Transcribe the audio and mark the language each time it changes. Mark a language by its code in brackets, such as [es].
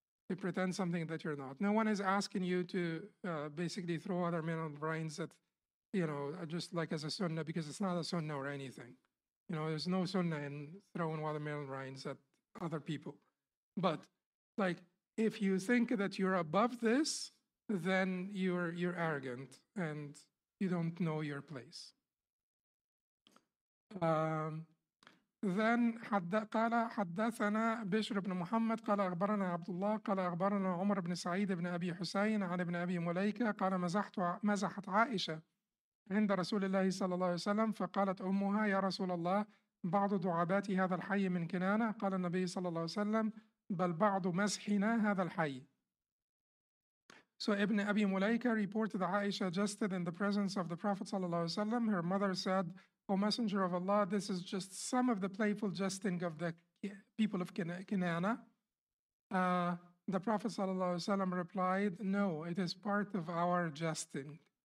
[en] To pretend something that you're not. No one is asking you to basically throw other men on the brains that, you know, just like as a sunnah, because it's not a sunnah or anything. You know, there's no sunnah in throwing watermelon rinds at other people. But, like, if you think that you're above this, then you're arrogant and you don't know your place. Then [ar] قال حدثنا بشر بن محمد قال أخبرنا عبد الله قال أخبرنا عمر بن سعيد بن أبي حسين عن ابن أبي مليكة قال مزحت عائشة عند رسول الله صلى الله عليه وسلم فقالت أمها يا رسول الله بعض دعابات هذا الحي من كنانة قال النبي صلى الله عليه وسلم بل بعض مسحنا هذا الحي. [en] So Ibn Abi Mulaika reported that Aisha jested in the presence of the Prophet ﷺ. Her mother said, O Messenger of Allah, this is just some of the playful jesting of the people of Kinana. The Prophet ﷺ replied, no, it is part of our jesting.